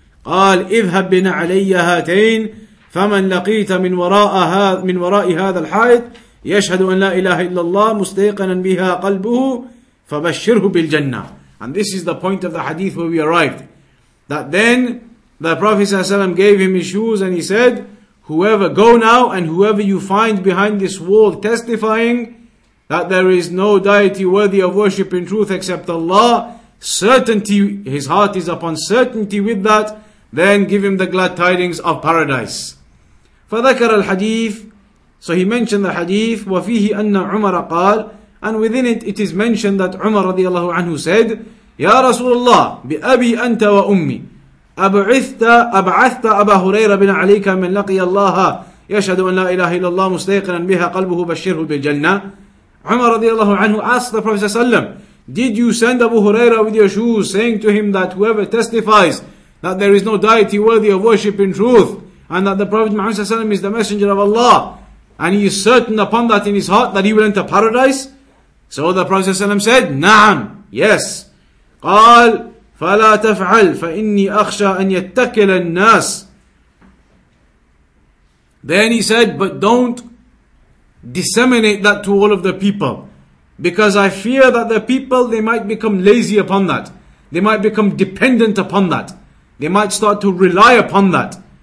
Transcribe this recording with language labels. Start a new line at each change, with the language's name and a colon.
Arabic: قال اذهب بنعلي هاتين فمن لقيت من وراء هذا الحائط يشهد أن لا إله إلا الله مستيقنا بها قلبه فبشره بالجنة.
English: And this is the point of the hadith where we arrived, that then the Prophet ﷺ gave him his shoes and he said, whoever, go now, and whoever you find behind this wall testifying that there is no deity worthy of worship in truth except Allah, certainty, his heart is upon certainty with that, then give him the glad tidings of paradise.
Arabic: فَذَكَرَ الْحَدِيثِ.
English: So he mentioned the hadith.
Arabic: وَفِيهِ أَنَّ عُمَرَ قَالَ.
English: And within it is mentioned that Umar
Arabic: رضي الله عنه
English: said,
Arabic: يَا رَسُولَ اللَّهِ بِأَبِي أَنْتَ وَأُمِّي أَبْعَثْتَ أَبَا هُرَيْرَ بِنَ عَلَيْكَ مِنْ لَقِيَ اللَّهَ يَشْهَدُ أَنْ لَا إِلَهِ إِلَّا اللَّهُ مُسْتَيْقِنًا بِهَا قَلْبُهُ بَشِّرْهُ بِالْجَنَّةِ.
English: Umar radiallahu anhu asked the Prophet sallam, did you send Abu Huraira with your shoes, saying to him that whoever testifies that there is no deity worthy of worship in truth, and that the Prophet Muhammad sallallahu alaihi wasallam is the messenger of Allah, and he is certain upon that in his heart that he will enter paradise? So the Prophet sallallahu alaihi wasallam said, na'am, yes.
Arabic: قال فلا تفعل فإني أخشى أن يتكل الناس.
English: Then he said, but don't disseminate that to all of the people, because I fear that the people, they might become lazy upon that. They might become dependent upon that. They might start to rely upon that.